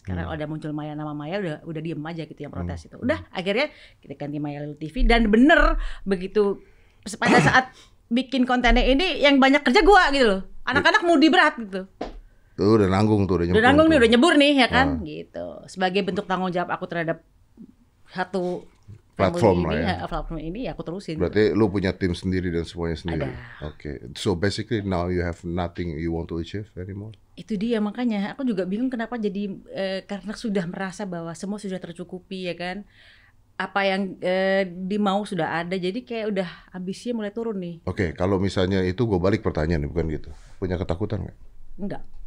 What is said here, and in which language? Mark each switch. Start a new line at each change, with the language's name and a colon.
Indonesian: Karena kalau ada muncul Maya, nama Maya udah diem aja gitu yang protes itu. Udah, akhirnya kita ganti Maya Lul TV dan bener begitu pada saat bikin kontennya ini yang banyak kerja gua gitu loh. Anak-anak mudi berat gitu. Udah nanggung tuh, udah nyebur. Udah nanggung tuh. Nih, udah nyebur nih ya kan gitu. Sebagai bentuk tanggung jawab aku terhadap satu platform lah ini, ya. Platform ini ya aku terusin. Berarti gitu. Lu punya tim sendiri dan semuanya sendiri. Ada.
English: Okay. So basically now you have nothing you want to achieve anymore.
Indonesian: Itu dia makanya aku juga bingung kenapa jadi karena sudah merasa bahwa semua sudah tercukupi ya kan. Apa yang dimau sudah ada, jadi kayak udah ambisinya mulai turun nih. Oke, kalau misalnya itu gue balik pertanyaan, bukan gitu. Punya ketakutan nggak? Enggak.